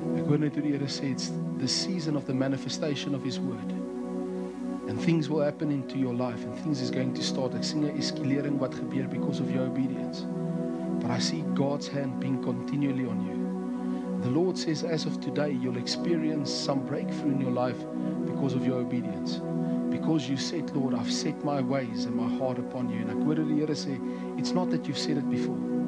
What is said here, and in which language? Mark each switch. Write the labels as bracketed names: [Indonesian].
[English] It's the season of the manifestation of His Word. And things will happen into your life. And things is going to start. [Afrikaans] Ek sien 'n eskalering wat gebeur [English] because of your obedience. But I see God's hand being continually on you. The Lord says, as of today, you'll experience some breakthrough in your life because of your obedience. Because you said, Lord, I've set my ways and my heart upon you. And [Afrikaans] ek hoor die Here sê, [English] it's not that you've said it before.